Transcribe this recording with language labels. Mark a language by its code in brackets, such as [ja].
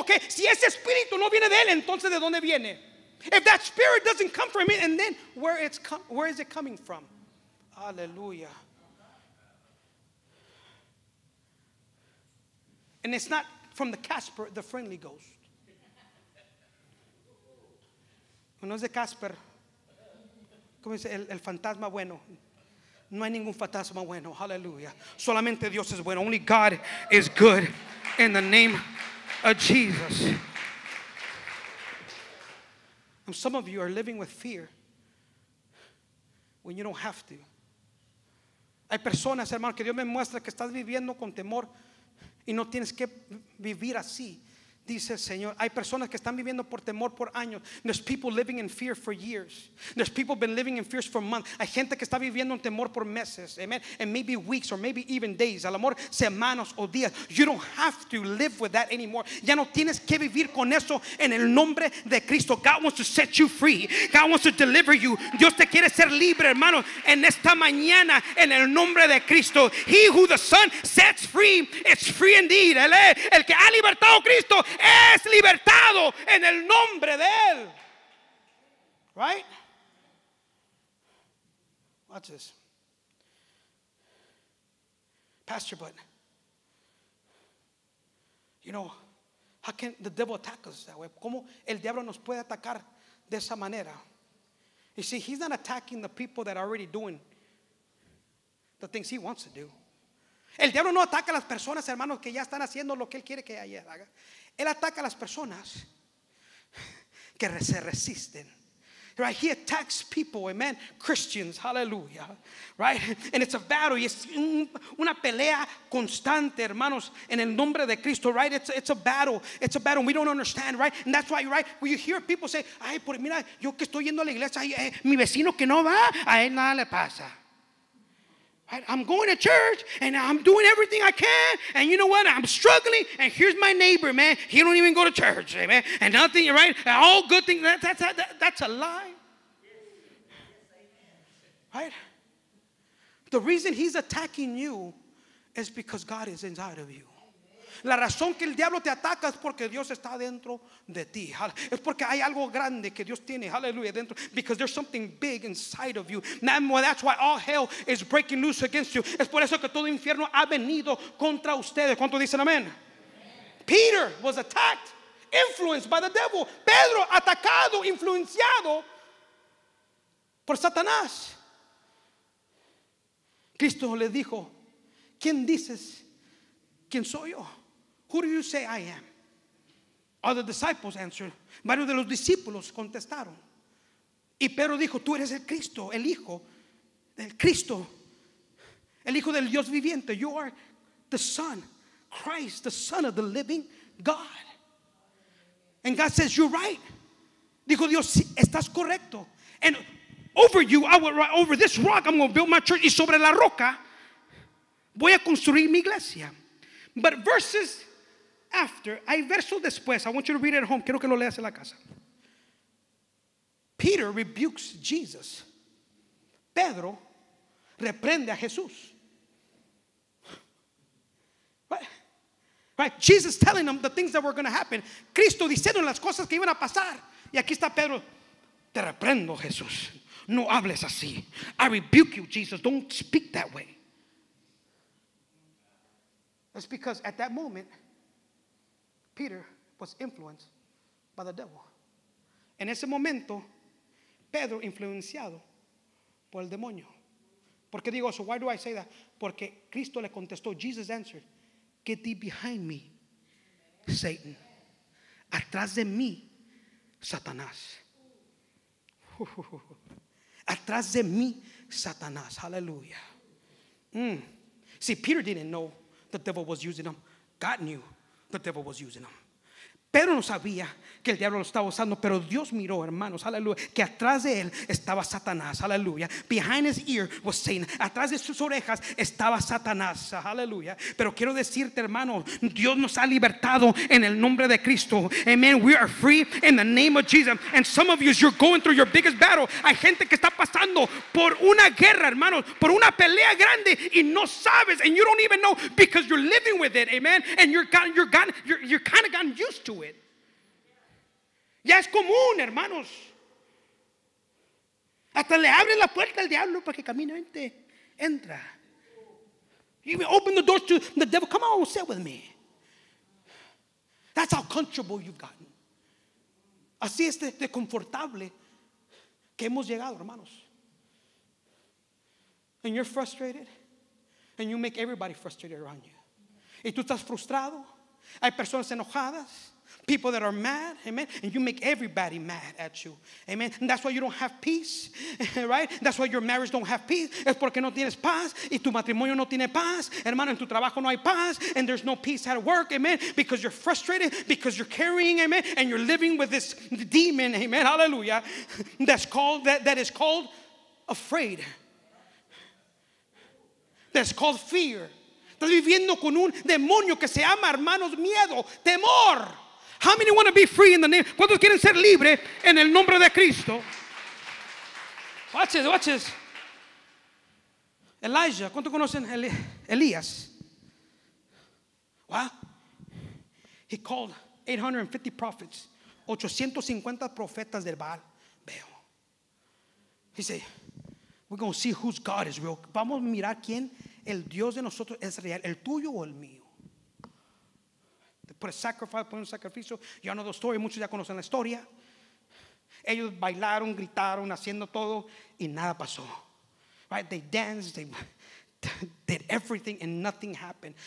[es] Okay, si ese espíritu no viene de él, entonces ¿de dónde viene? [en] If that spirit doesn't come from me, and then where is it coming from? Hallelujah. And it's not from the Casper, the friendly ghost. [es] No es de Casper. Como dice el fantasma bueno. No hay ningún fantasma bueno. Hallelujah. Solamente Dios es bueno. [en] Only God is good. In the name of Jesus. And some of you are living with fear when you don't have to. [es] Hay personas, hermano, que Dios me muestra que estás viviendo con temor y no tienes que vivir así. Dice el Señor, hay personas que están viviendo por temor por años. [en] There's people living in fear for years. There's people been living in fears for months. [es] Hay gente que está viviendo en temor por meses. [en] Amen. And maybe weeks or maybe even days. [es] A lo mejor semanas o días. [en] You don't have to live with that anymore. [es] Ya no tienes que vivir con eso en el nombre de Cristo. [en] God wants to set you free. God wants to deliver you. [es] Dios te quiere ser libre, hermano, en esta mañana en el nombre de Cristo. [en] He who the Son sets free is free indeed. [es] Él es el que ha libertado a Cristo. Es libertado en el nombre de él. [en] Right? Watch this. Pastor, but you know, how can the devil attack us that way? [es] ¿Cómo el diablo nos puede atacar de esa manera? [en] You see, he's not attacking the people that are already doing the things he wants to do. [es] El diablo no ataca a las personas, hermanos, que ya están haciendo lo que él quiere que haga. Él ataca a las personas que se resisten. [en] Right? He attacks people, amen. Christians, hallelujah. Right? And it's a battle. [es] Y es una pelea constante, hermanos, en el nombre de Cristo. [en] Right? It's a battle. It's a battle. We don't understand, right? And that's why, right? When you hear people say, [es] ay, por mira, yo que estoy yendo a la iglesia, mi vecino que no va, a él nada le pasa. [en] I'm going to church and I'm doing everything I can, and you know what? I'm struggling, and here's my neighbor, man. He don't even go to church, amen. And nothing, right? All good things. That's a lie. Right? The reason he's attacking you is because God is inside of you. [es] La razón que el diablo te ataca es porque Dios está dentro de ti. Es porque hay algo grande que Dios tiene. [en] Hallelujah. Dentro. Because there's something big inside of you. Now, that's why all hell is breaking loose against you. [es] Es por eso que todo infierno ha venido contra ustedes. ¿Cuánto dicen amén? [en] Peter was attacked, influenced by the devil. [es] Pedro atacado, influenciado por Satanás. Cristo le dijo, ¿quién dices? ¿Quién soy yo? [en] Who do you say I am? Other disciples answered. [es] Varios de los discípulos contestaron. Y Pedro dijo, tú eres el Cristo, el Hijo del Cristo, el Hijo del Dios viviente. [en] You are the Son, Christ, the Son of the living God. And God says, you're right. [es] Dijo Dios, sí, estás correcto. [en] And over you, I will, over this rock, I'm going to build my church. [es] Y sobre la roca, voy a construir mi iglesia. [en] But verses after, [es] hay verso después. [en] I want you to read it at home. [es] Quiero que lo leas en la casa. [en] Peter rebukes Jesus. [es] Pedro reprende a Jesús. [en] Right? Jesus telling them the things that were going to happen. [es] Cristo diciendo las cosas que iban a pasar. Y aquí está Pedro. Te reprendo, Jesús. No hables así. [en] I rebuke you, Jesus. Don't speak that way. That's because at that moment, Peter was influenced by the devil. [es] En ese momento, Pedro influenciado por el demonio. ¿Por qué digo eso? [en] Why do I say that? [es] Porque Cristo le contestó, [en] Jesus answered, get thee behind me, Satan. [es] Atrás de mí, Satanás. Atrás de mí, Satanás. Hallelujah. Mm. [en] See, Peter didn't know the devil was using him. God knew the devil was using him. [es] Pedro no sabía que el diablo lo estaba usando, pero Dios miró, hermanos, aleluya, que atrás de él estaba Satanás, aleluya. [en] Behind his ear was Satan. [es] Atrás de sus orejas estaba Satanás, aleluya. Pero quiero decirte, hermano, Dios nos ha libertado en el nombre de Cristo. [en] Amen. We are free in the name of Jesus. And some of you, you're going through your biggest battle. [es] Hay gente que está pasando por una guerra, hermanos, por una pelea grande, y no sabes, [en] and you don't even know because you're living with it, [es] amen. [en] And you're kind of gotten used to it. [es] Ya es común, hermanos. Hasta le abre la puerta al diablo para que camine, vente, entra. [en] You even open the doors to the devil. Come on, sit with me. That's how comfortable you've gotten. [es] Así es de confortable que hemos llegado, hermanos. [en] And you're frustrated, and you make everybody frustrated around you. [es] Y tú estás frustrado. Hay personas enojadas. [en] People that are mad, amen, and you make everybody mad at you, amen. And that's why you don't have peace, right? That's why your marriage don't have peace. [es] Es porque no tienes paz, y tu matrimonio no tiene paz, hermano. En tu trabajo no hay paz, [en] and there's no peace at work, amen. Because you're frustrated, because you're carrying, amen, and you're living with this demon, amen. Hallelujah. That is called afraid. That's called fear. [es] Estás viviendo con un demonio que se llama, hermanos, miedo, temor. [en] How many want to be free in the name? [es] ¿Cuántos quieren ser libre en el nombre de Cristo? [en] Watch this. Elijah, [es] ¿cuántos conocen Elías? [en] What? He called 850 prophets, [es] 850 profetas del Baal. Veo. [en] He said, we're going to see whose God is real. [es] Vamos a mirar quién el Dios de nosotros es real, el tuyo o el mío. [en] Put a sacrifice. Y'all know the story. [es] Muchos ya conocen la historia. Ellos bailaron, gritaron, haciendo todo, y nada pasó. [en] Right? They danced, they did everything, and nothing happened.